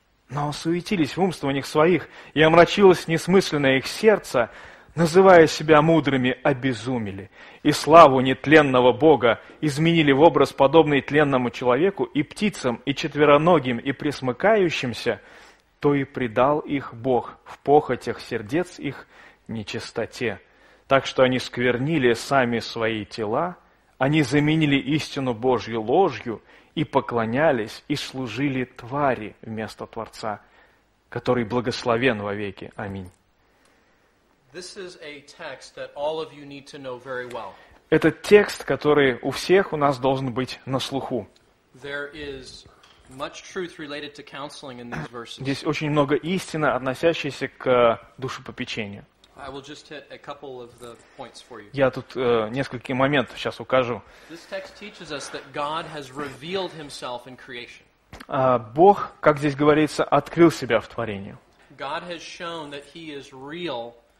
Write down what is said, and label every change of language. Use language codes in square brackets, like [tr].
[ru] Но суетились в умствованиях своих, и омрачилось несмысленное их сердце, называя себя мудрыми, обезумели, и славу нетленного Бога изменили в образ, подобный тленному человеку, и птицам, и четвероногим, и пресмыкающимся, то и предал их Бог в похотях сердец их нечистоте. Так что они сквернили сами свои тела, они заменили истину Божью ложью, и поклонялись, и служили твари вместо Творца, который благословен во веки. Аминь. [en] This is a text that all of you need to know very well. [ru] Этот текст, который у всех у нас должен быть на слуху. [en] There is much truth related to counseling in these verses. [ru] Здесь очень много истины, относящейся к душепопечению. [en] I will just hit a couple of the points for you. [ru] Я тут несколько моментов сейчас укажу. [en] This text teaches us that God has revealed himself in creation. [ru] Бог, как здесь говорится, открыл себя в творении. [en] God has shown that he is real.